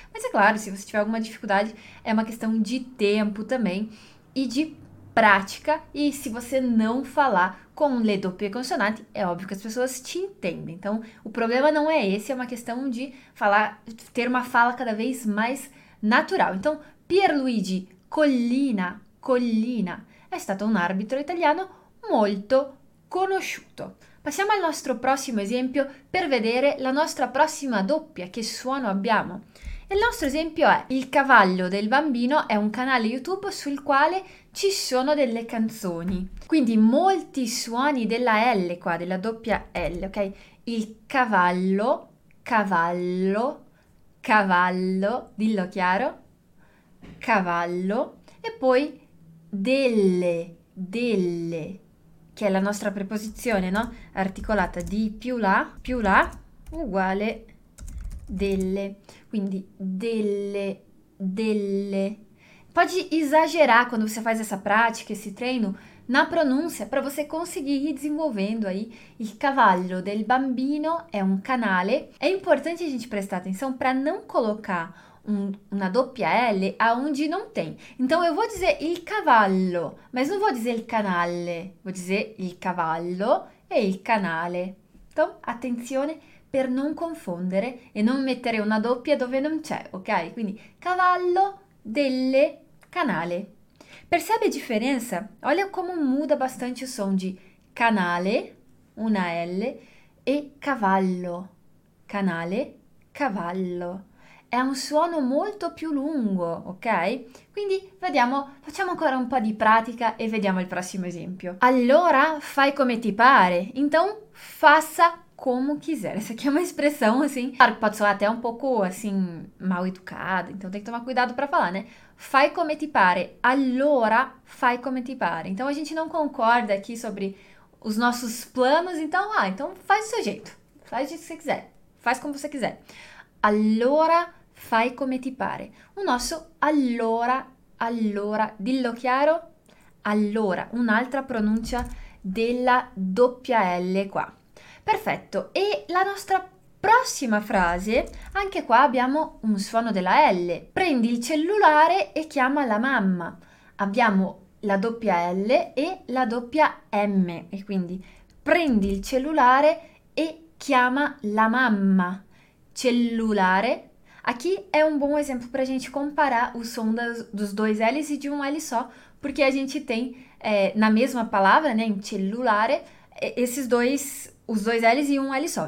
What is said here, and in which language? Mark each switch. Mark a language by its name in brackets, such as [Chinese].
[Portuguese] Mas é claro, se você tiver alguma dificuldade, é uma questão de tempo também. E de prática, e se você não falar com [Italian] le doppie consonanti, [Portuguese] é óbvio que as pessoas te entendem. Então, o problema não é esse, é uma questão de falar, ter uma fala cada vez mais natural. Então, [Italian] Pierluigi Collina, Collina, è stato un arbitro italiano molto conosciuto. Passiamo al nostro prossimo esempio per vedere la nostra prossima doppia, che suono abbiamo. Il nostro esempio è Il cavallo del bambino è un canale YouTube sul quale ci sono delle canzoni. Quindi molti suoni della L qua, della doppia L, ok? Il cavallo, cavallo, cavallo, dillo chiaro, cavallo, e poi delle, delle, che è la nostra preposizione, no? Articolata di più là, uguale. Delle, quindi delle, delle. [Portuguese] Pode exagerar quando você faz essa prática, esse treino, na pronúncia, para você conseguir ir desenvolvendo aí. [Italian] Il cavallo del bambino è un canale. [Portuguese] È importante a gente prestar atenção para não colocar uma doppia L aonde não tem. Então eu vou dizer [Italian] il cavallo, [Portuguese] mas não vou dizer [Italian] il canale, [Portuguese] vou dizer [Italian] il cavallo e il canale. [Portuguese] Então, [Italian] attenzione. Per non confondere e non mettere una doppia dove non c'è, ok? Quindi cavallo delle canale. [Portuguese] Percebe a differenza? Olha come muda bastante [Italian] il son di canale, una L, e cavallo. Canale, cavallo. È un suono molto più lungo, ok? Quindi vediamo, facciamo ancora un po' di pratica e vediamo il prossimo esempio. Allora fai come ti pare. [Portuguese] Então, faça como quiser. Essa aqui é uma expressão assim, claro que pode soar até um pouco assim mal educada, então tem que tomar cuidado para falar, né? [Italian] Fai come ti pare. Allora fai come ti pare. [Portuguese] Então a gente não concorda aqui sobre os nossos planos, então então faz do seu jeito. Faz o que você quiser. Faz como você quiser. [Italian] Allora fai come ti pare. [Portuguese] O nosso [Italian] allora, allora, dillo chiaro? Allora, un'altra pronuncia della doppia L qua. Perfetto, e la nostra prossima frase, anche qua abbiamo un suono della L. Prendi il cellulare e chiama la mamma. Abbiamo la doppia L e la doppia M, e quindi prendi il cellulare e chiama la mamma. [Portuguese] Cellulare. Aqui [Italian] è un buon esempio [Portuguese] per a gente comparar o son dos dois L's e di un L só porque a gente tem na mesma palavra, né, em cellulare, esses dois, os dois L's e um L só.